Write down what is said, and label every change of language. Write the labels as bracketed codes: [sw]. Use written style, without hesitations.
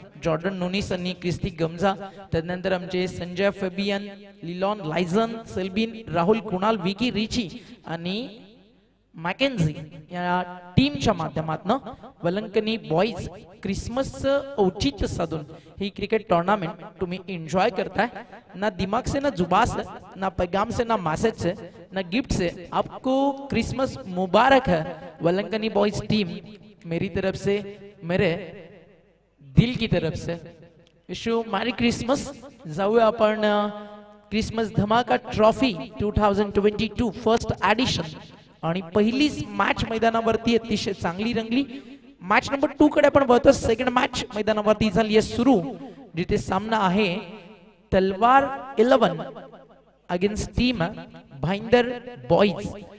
[mr] Jordan नुनिस आणि क्रिस्ती गमझा त्यानंतर आमचे संजय फेबियन लिलॉन लायझन सेल्बिन राहुल कुणाल विकी रिची आणि मॅकेन्झी या टीमच्या माध्यमातून वलंकनी बॉईज क्रिसमसचं औचित्य साधून ही क्रिकेट टुर्नामेंट तुम्ही एन्जॉय करताय. [hi] ना दिमाग से ना जुबा से ना पैगाम से ना मैसेज से ना गिफ्ट से आपको क्रिसमस मुबारक है वलंकनी बॉईज टीम. मेरी तरफ से मेरे दिल की तरफ से विशू मॅरी क्रिसमस. [mr] जाऊया आपण क्रिसमस धमाका ट्रॉफी 2022 फर्स्ट एडिशन आणि पहिलीच मॅच मैदानावरती अतिशय चांगली रंगली. मॅच नंबर 2 कडे आपण बघतो. सेकंड मॅच मैदानावरती झाली आहे सुरू, जिथे सामना आहे तलवार 11 अगेन्स्ट टीम भाईंदर बॉईज.